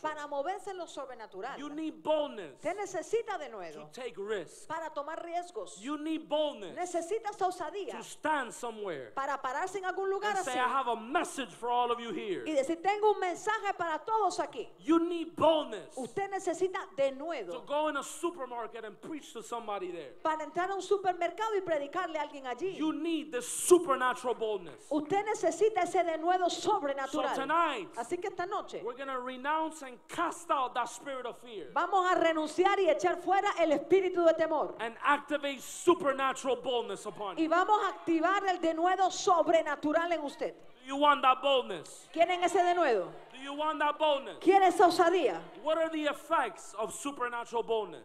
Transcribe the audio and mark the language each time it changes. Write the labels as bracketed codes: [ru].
[es] Para moverse en lo sobrenatural. [en] You need boldness. [es] Usted necesita denuedo. [en] To take risks. [es] Para tomar riesgos. [en] You need boldness. [es] Necesitas osadía. [en] To stand somewhere. [es] Para pararse en algún lugar así. [en] And say, I have a message for all of you here. [es] Y decir, tengo un mensaje para todos aquí. [en] You need boldness. [es] Usted necesita denuedo. [en] To go in a supermarket and preach to somebody there. [es] Para entrar a un supermercado y predicarle a alguien allí. [en] You need the supernatural boldness. [es] Usted necesita ese denuedo sobrenatural. [en] So tonight, [es] así que esta noche, [en] we're going to renounce and cast out that spirit of fear. [es] Vamos a renunciar y echar fuera el espíritu de temor. [en] And activate supernatural boldness upon you. [es] Y vamos a activar el denuedo sobrenatural en usted. [en] Do you want that boldness? [es] ¿Quieren ese denuedo? [en] Do you want that boldness? [es] ¿Quieren esa osadía? [en] What are the effects of supernatural boldness?